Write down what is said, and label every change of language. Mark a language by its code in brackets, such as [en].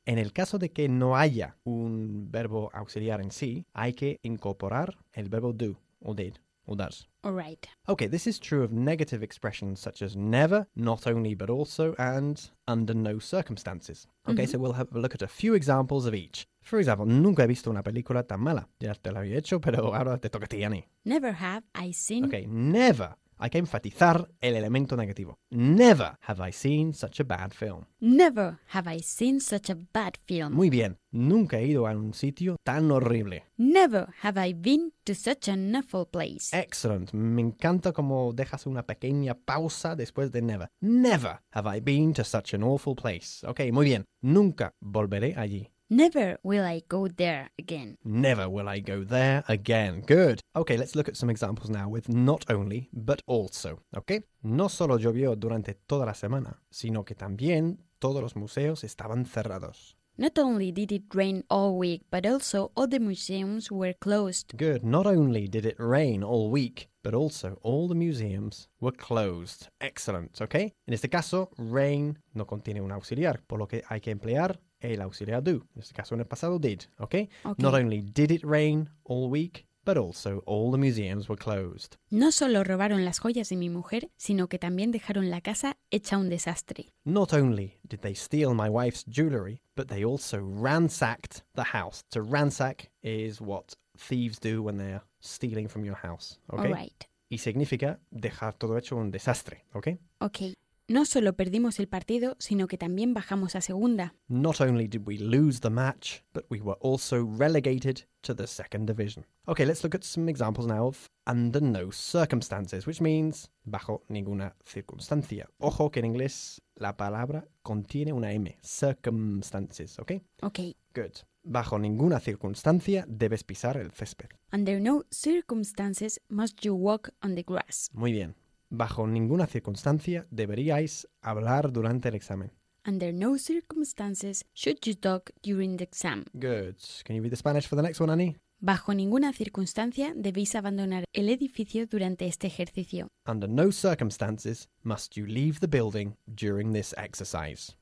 [es] En el caso de que no haya un verbo auxiliar en sí, hay que incorporar el verbo do, o did, or does. [en] All right. Okay, this is true of negative expressions such as never, not only, but also, and under no circumstances. Okay, mm-hmm. So we'll have a look at a few examples of each. For example, [es] nunca he visto una película tan mala. Ya te la había hecho, pero ahora te toca a ti, Annie. [en] Never have I seen... [es] Okay, never. Hay que enfatizar el elemento negativo. [en] Never have I seen such a bad film. Never have I seen such a bad film. [es] Muy bien. Nunca he ido a un sitio tan horrible. [en] Never have I been to such an awful place. Excellent. [es] Me encanta cómo dejas una pequeña pausa después de never. [en] Never have I been to such an awful place. [es] Okay, muy bien. Nunca volveré allí. [en] Never will I go there again. Never will I go there again. Good. Okay, let's look at some examples now with not only, but also. Okay? [es] No solo llovió durante toda la semana, sino que también todos los museos estaban cerrados. [en] Not only did it rain all week, but also all the museums were closed. Good. Not only did it rain all week, but also all the museums were closed. Excellent. Okay? [es] En este caso, rain no contiene un auxiliar, por lo que hay que emplear el auxiliar do. En este caso, en el pasado, did. Okay? [en] Okay? Not only did it rain all week, but also all the museums were closed. [es] No solo robaron las joyas de mi mujer, sino que también dejaron la casa hecha un desastre. [en] Not only did they steal my wife's jewelry, but they also ransacked the house. To ransack is what thieves do when they're stealing from your house. Okay? All right. [es] Y significa dejar todo hecho un desastre. Okay? [en] Okay. [es] No solo perdimos el partido, sino que también bajamos a segunda. [en] Not only did we lose the match, but we were also relegated to the second division. Okay, let's look at some examples now of under no circumstances, which means [es] bajo ninguna circunstancia. Ojo que en inglés la palabra contiene una M, circumstances, okay? [en] Okay. Good. [es] Bajo ninguna circunstancia debes pisar el césped. [en] Under no circumstances must you walk on the grass. [es] Muy bien. Bajo ninguna circunstancia deberíais hablar durante el examen. [en] Under no circumstances should you talk during the exam. Good. Can you read the Spanish for the next one, Annie? [es] Bajo ninguna circunstancia debéis abandonar el edificio durante este ejercicio. [en] Under no circumstances must you leave the building during this exercise.